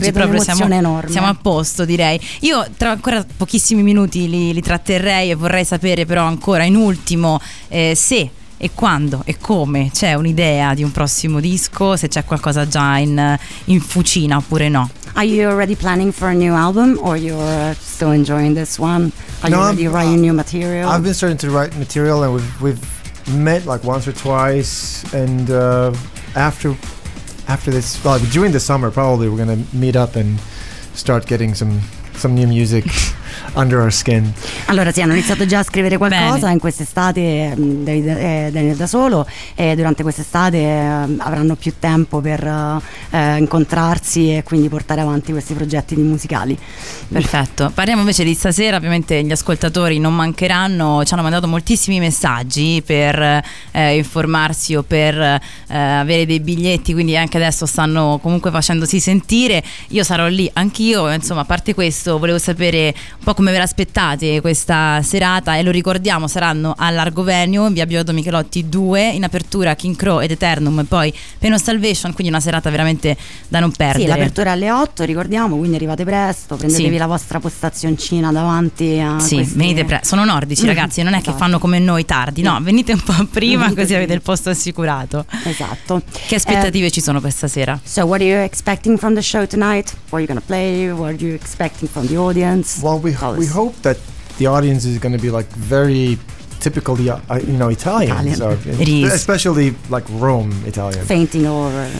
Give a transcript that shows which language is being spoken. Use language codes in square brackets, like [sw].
[it] oggi proprio siamo a posto, direi. Io tra ancora pochissimi minuti li tratterrei e vorrei sapere però ancora in ultimo se e quando e come c'è un'idea di un prossimo disco, se c'è qualcosa già in fucina oppure no. [en] Are you already planning for a new album or you're still enjoying this one? Are you already writing new material? I've been starting to write material and we've met like once or twice, and after after this, well, during the summer, probably we're going to meet up and start getting some new music under our skin. [it] Allora sì, hanno iniziato già a scrivere qualcosa in quest'estate, Daniel da solo, e durante quest'estate avranno più tempo per incontrarsi e quindi portare avanti questi progetti di musicali. Perfetto. Parliamo invece di stasera, ovviamente gli ascoltatori non mancheranno, ci hanno mandato moltissimi messaggi per informarsi o per avere dei biglietti, quindi anche adesso stanno comunque facendosi sentire. Io sarò lì anch'io, insomma, a parte questo volevo sapere un po' come ve l'aspettate questa serata, e lo ricordiamo, saranno all'Largo Venue in via Bioto Michelotti 2, in apertura King Crow ed Eternum e poi Pain Salvation, quindi una serata veramente da non perdere. Sì, l'apertura è alle 8, ricordiamo, quindi arrivate presto, prendetevi la vostra postazioncina davanti a venite presto, sono nordici ragazzi, non è che fanno come noi tardi, no, venite un po' prima così avete il posto assicurato. Esatto. Che aspettative ci sono questa sera? [en] So what are you expecting from the show tonight? What are you gonna play? What are you expecting from the audience? Well, we hope that the audience is going to be like very typically, you know, Italians. Especially like Rome Italian. Fainting over.